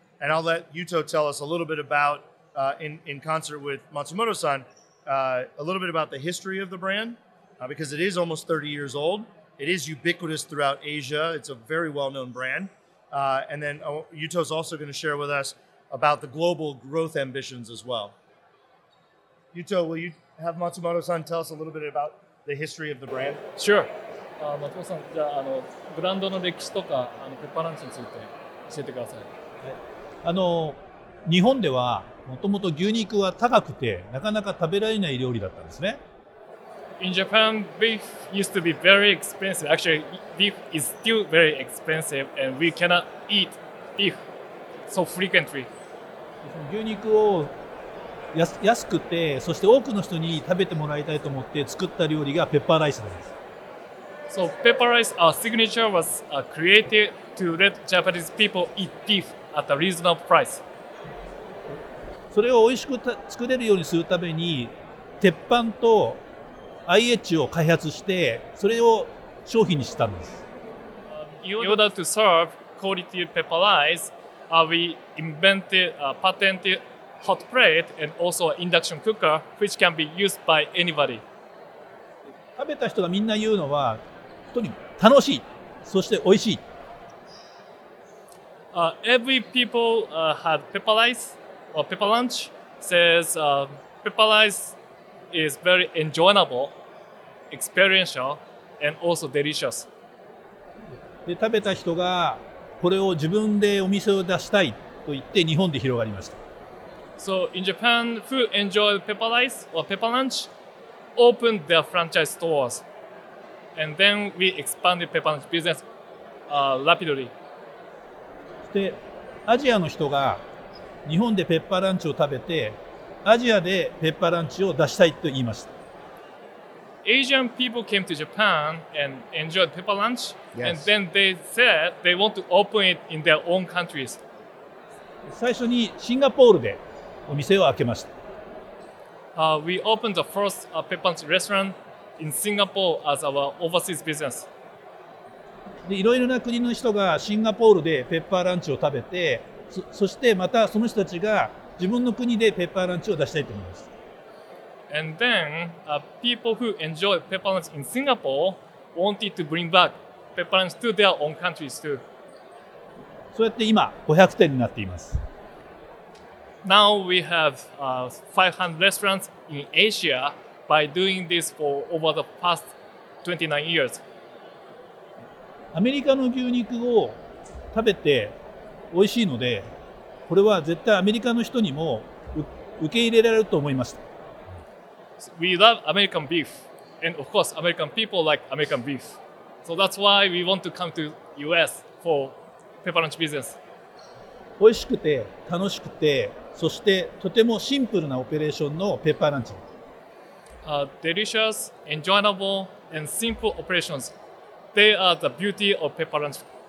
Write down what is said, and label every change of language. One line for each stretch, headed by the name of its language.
English: And I'll let Yuto tell us a little bit about, in concert with Matsumoto-san, a little bit about the history of the brand, because it is almost 30 years old. It is ubiquitous throughout Asia. It's a very well-known brand. And then Yuto is also going to share with us about the global growth ambitions as well. Yuto, will you have Matsumoto-san tell us a little bit about the history of the brand? Sure.
Japanese: Matsumoto-san, ブランドの歴史とかペッパーランチについて教えてください。日本ではもともと牛肉は高くてなかなか食べられない料理だったんですね。
English: In Japan, beef used to be very expensive. Actually, beef is still very expensive, and we cannot eat beef. so frequently.
Japanese: 牛肉を安くてそして多くの人に食べてもらいたいと思って作った料理がペッパーライスなんです。
English: So pepper rice, our signature was created to let Japanese people eat beef at a reasonable price.
Japanese: それを美味しく作れるようにするために鉄板と IH を開発してそれを商品にしたんです。
English: In order to serve quality pepper rice, we invented a patented hot plate and also an induction cooker, which can be used by anybody.
Japanese: 食べた人がみんな言うのは本当に楽しい、そして美味しい。
English: Every people had pepper rice or pepper lunch says pepper rice is very enjoyable, experiential, and also delicious.
Japanese: で食べた人がこれを自分でお店を出したいと言って日本で広がりました。
English: So in Japan, who enjoy pepper rice or pepper lunch opened their franchise stores. And then we expanded pepper lunch business rapidly.
Japanese: で、アジアの人が日本でペッパーランチを食べて、アジアでペッパーランチを出したいと言いました。
English: Asian people came to Japan and enjoyed pepper lunch, and then they said they want to open it in their own countries.
Japanese: 最初にシンガポールでお店を開けました。
English: We opened the first pepper lunch restaurant. In Singapore as our overseas business.
Japanese: で、いろいろな国の人がシンガポールでペッパーランチを食べて、そしてまたその人たちが自分の国でペッパーランチを出したいと思います。
English: And then, people who enjoy pepper lunch in Singapore wanted to bring back pepper lunch to their own countries too.
Japanese: そうやって今500店になっています。
English: Now we have 500 restaurants in Asia. By doing this for over the past 29 years.
Japanese: アメリカの牛肉を食べて美味しいので、これは絶対アメリカの人にも受け入れられると思いました。
English: We love American beef, and of course, American people like American beef. So that's why we want to come to US for pepper lunch business.
Japanese: 美味しくて楽しくて、そしてとてもシンプルなオペレーションのペッパーランチ。
English: Delicious, enjoyable, and simple operations. They are the beauty of pepper lunch.